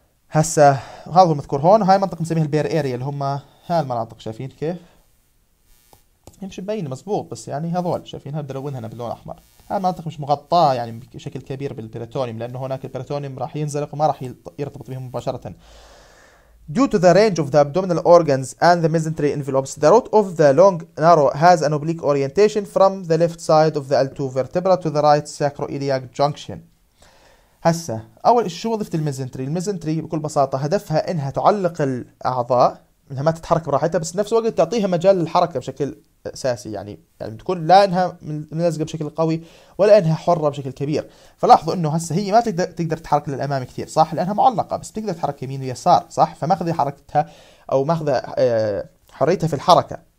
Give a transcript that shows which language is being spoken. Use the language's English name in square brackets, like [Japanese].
[Arabic] هسا هذا هو المذكور هون، وهاي المنطقة بنسميها البير اريا اللي هم هاي المناطق، شايفين كيف؟ يمشي مبين مزبوط، بس يعني هذول شايفينها بدي الونها باللون الاحمر، هاي المناطق مش مغطاة يعني بشكل كبير بالبيريتونيوم، لانه هناك البيريتونيوم راح ينزلق وما راح يرتبط بهم مباشرة. [English] Due to the range of the abdominal organs and the mesentery envelopes, the root of the long narrow has an oblique orientation from the left side of the L2 vertebra to the right sacroiliac junction. [Arabic] هسه اول شو وظيفه الميزنتري؟ الميزنتري بكل بساطه هدفها انها تعلق الاعضاء انها ما تتحرك براحتها، بس نفس الوقت تعطيها مجال للحركه بشكل اساسي، يعني بتكون لا انها ملزقه بشكل قوي ولا انها حره بشكل كبير. فلاحظوا انه هسه هي ما تقدر تتحرك للامام كثير صح، لانها معلقه، بس بتقدر تتحرك يمين ويسار صح، فماخذه حركتها او ماخذه حريتها في الحركه.